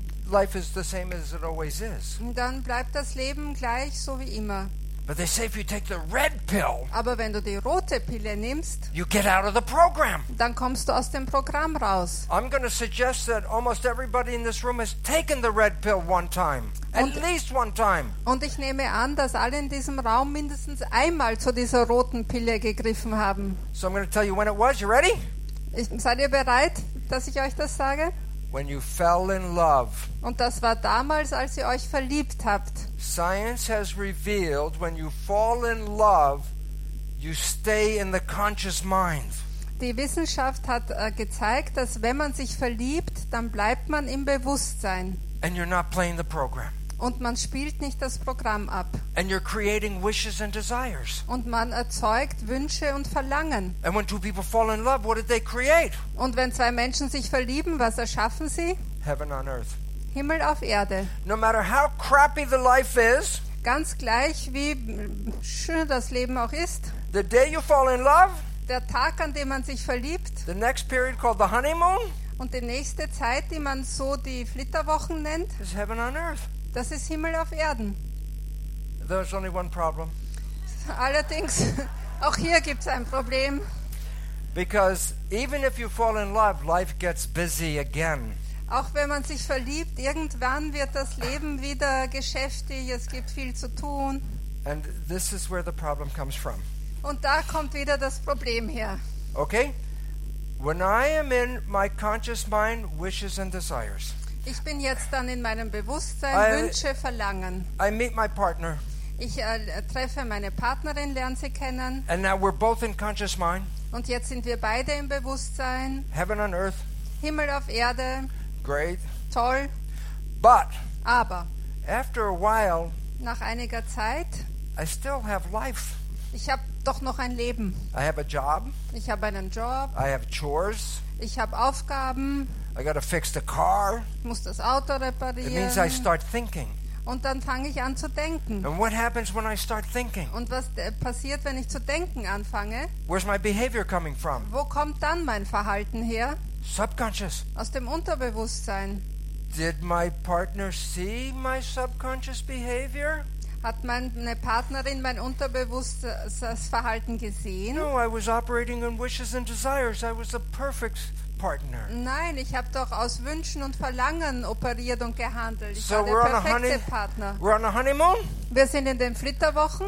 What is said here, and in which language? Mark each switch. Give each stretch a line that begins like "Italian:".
English: life is the same as it always is.
German: Dann bleibt das Leben gleich so wie immer.
English: But they say, if you take the red pill,
German: aber wenn du die rote Pille nimmst,
English: you get out of the program.
German: Dann kommst du aus dem Programm raus.
English: I'm going to suggest that almost everybody in this room has taken the red pill one time. At least one time.
German: Und ich nehme an, dass alle in diesem Raum mindestens einmal zu dieser roten Pille gegriffen haben.
English: So I'm going to tell you when it was. You ready?
German: Seid ihr bereit, dass ich euch das sage?
English: When you fell in love.
German: Und das war damals, als ihr euch verliebt habt.
English: Science has revealed, when you fall in love, you stay in the conscious mind.
German: Die Wissenschaft hat gezeigt, dass wenn man sich verliebt, dann bleibt man im Bewusstsein.
English: And you're not playing the program.
German: Und man spielt nicht das Programm ab.
English: And you're creating wishes and desires.
German: Und man erzeugt Wünsche und Verlangen.
English: And when two people fall in love, what did they create?
German: Und wenn zwei Menschen sich verlieben, was erschaffen sie?
English: Heaven on earth.
German: Himmel auf Erde.
English: No matter how crappy the life is,
German: ganz gleich wie schön das Leben auch ist,
English: the day you fall in love,
German: der Tag, an dem man sich verliebt,
English: the next period called the honeymoon,
German: und die nächste Zeit, die man so die Flitterwochen nennt,
English: is heaven on earth.
German: Das ist Himmel auf Erden.
English: There's only one problem.
German: Allerdings, auch hier gibt's ein Problem.
English: Because even if you fall in love, life gets busy again.
German: Auch wenn man sich verliebt, irgendwann wird das Leben wieder geschäftig, es gibt viel zu tun.
English: And this is where the problem comes from.
German: Und da kommt wieder das Problem her.
English: Okay? When I am in my conscious mind, wishes and desires.
German: Ich bin jetzt dann in meinem Bewusstsein, Wünsche, Verlangen.
English: I meet my partner.
German: Ich treffe meine Partnerin, lerne sie kennen.
English: And now we're both in conscious mind.
German: Und jetzt sind wir beide im Bewusstsein.
English: Heaven on earth.
German: Himmel auf Erde.
English: Great.
German: Toll.
English: But.
German: Aber.
English: After a while.
German: Nach einiger Zeit.
English: I still have life.
German: Ich habe doch noch ein Leben.
English: I have a job.
German: Ich habe einen Job.
English: I have chores.
German: Ich habe Aufgaben.
English: I gotta fix the car.
German: Ich muss das Auto reparieren.
English: It means I start thinking.
German: Und dann fange ich an zu denken.
English: And what happens when I start thinking?
German: Und was passiert, wenn ich zu denken anfange?
English: Where's my behavior coming from?
German: Wo kommt dann mein Verhalten her?
English: Subconscious.
German: Aus dem Unterbewusstsein.
English: Did my partner see my subconscious behavior?
German: Hat meine Partnerin mein unterbewusstes Verhalten gesehen?
English: No, I was operating on wishes and desires. I was a perfect partner.
German: Nein, ich habe doch aus Wünschen und Verlangen operiert und gehandelt. Ich so war der perfekte Partner.
English: We're on a honeymoon.
German: Wir sind in den Flitterwochen.